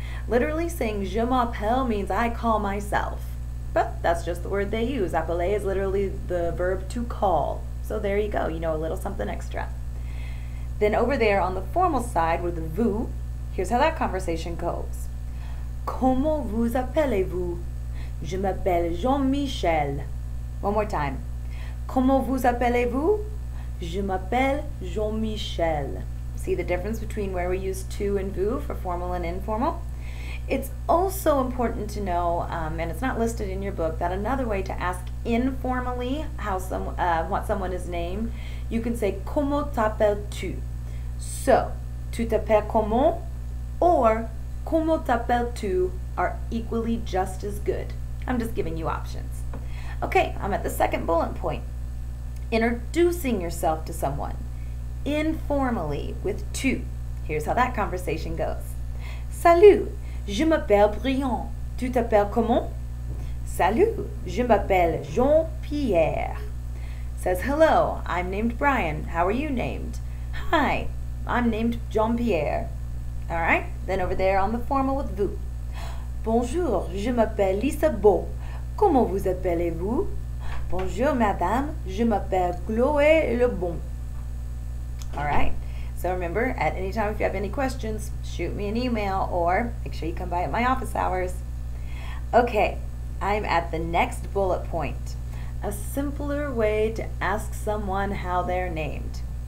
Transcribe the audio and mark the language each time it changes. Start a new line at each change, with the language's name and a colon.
English: Literally saying
French: je m'appelle
English: means I call myself. But that's just the word they use. Appeler is literally the verb to call. So there you go, you know a little something extra. Then over there on the formal side with the vous, here's how that conversation goes.
French: Comment vous appelez-vous? Je m'appelle Jean-Michel.
English: One more time.
French: Comment vous appelez-vous? Je m'appelle Jean-Michel.
English: See the difference between where we use to and vous for formal and informal? It's also important to know, and it's not listed in your book, that another way to ask informally how what someone is named, you can say
French: comment t'appelles-tu?
English: So,
French: tu t'appelles comment?
English: Or,
French: comment t'appelles-tu
English: are equally just as good. I'm just giving you options. Okay, I'm at the second bullet point. Introducing yourself to someone informally with tu. Here's how that conversation goes.
French: Salut, je m'appelle Brian. Tu t'appelles comment? Salut, je m'appelle Jean-Pierre.
English: Says hello, I'm named Brian. How are you named? Hi, I'm named Jean-Pierre. All right, then over there on the formal with vous.
French: Bonjour, je m'appelle Lisa Beau. Comment vous appelez-vous? Bonjour, madame, je m'appelle Chloé Lebon.
English: All right, so remember, at any time if you have any questions, shoot me an email or make sure you come by at my office hours. Okay, I'm at the next bullet point. A simpler way to ask someone how they're named.